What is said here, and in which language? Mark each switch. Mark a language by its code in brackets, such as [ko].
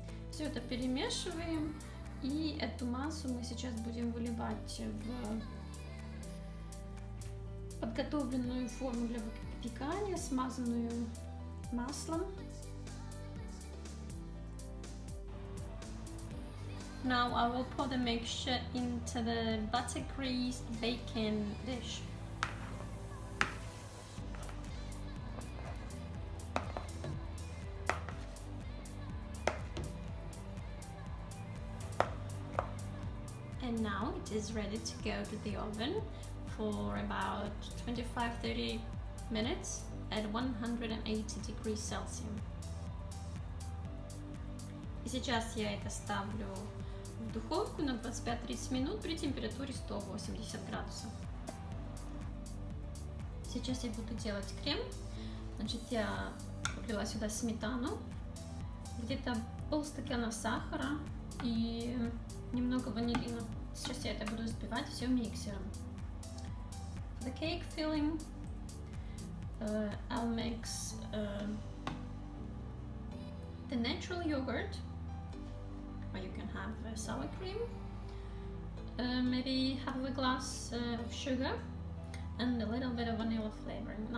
[ru] Все это перемешиваем, и эту массу мы сейчас будем выливать в подготовленную форму для выпекания, смазанную маслом. [en] Now I will pour the mixture into the butter-greased baking dish. And now it is ready to go to the oven for about 25-30 minutes at 180 degrees Celsius. [ru] И сейчас я это ставлю в духовку на 25-30 минут при температуре 180 градусов. Сейчас я буду делать крем. Значит, я влила сюда сметану, где-то полстакана сахара и немного ванилина. Сейчас я это буду взбивать все миксером. [en] For the cake filling, I'll mix the natural yogurt, or you can have sour cream, maybe half a glass of sugar, and a little bit of vanilla flavoring.